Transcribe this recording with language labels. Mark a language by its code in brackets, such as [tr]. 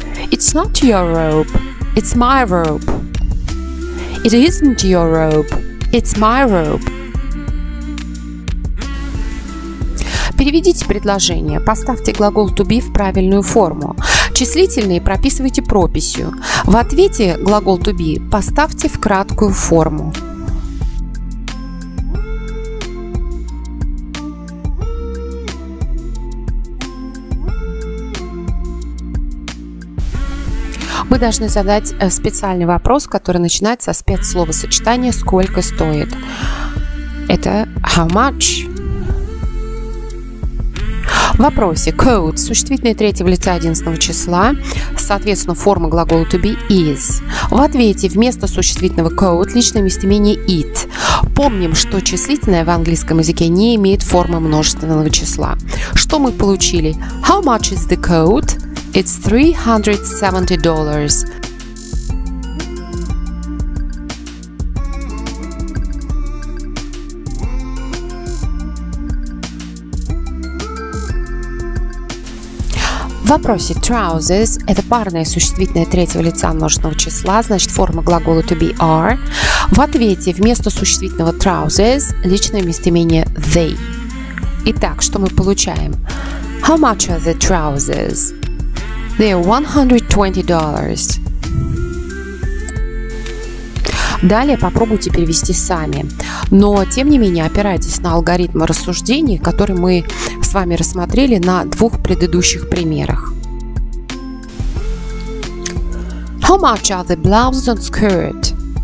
[en] It's not your robe, it's my robe. It isn't your robe, it's my robe. [ru] Переведите предложение. Поставьте глагол to be в правильную форму. Числительные прописывайте прописью. В ответе глагол to be поставьте в краткую форму. Мы должны задать специальный вопрос, который начинается со спецсловосочетания «Сколько стоит?». Это [en] «How much?». [ru] В вопросе «Coat» – существительное третьего лица одиннадцатого числа, соответственно, форма глагола «to be» – «is». В ответе вместо существительного «coat» – личное местоимение «it». Помним, что числительное в английском языке не имеет формы множественного числа. Что мы получили? [en] «How much is the coat?» It's $370. [ru] В вопросе trousers – это парное существительное третьего лица множественного числа, значит, форма глагола to be are. В ответе вместо существительного trousers – личное местоимение they. Итак, что мы получаем? [en] How much are the trousers? They are $120. [ru] Далее попробуйте перевести сами. Но, тем не менее, опирайтесь на алгоритм рассуждений, который мы с вами рассмотрели на двух предыдущих примерах. [en] How much are the blouses and skirt?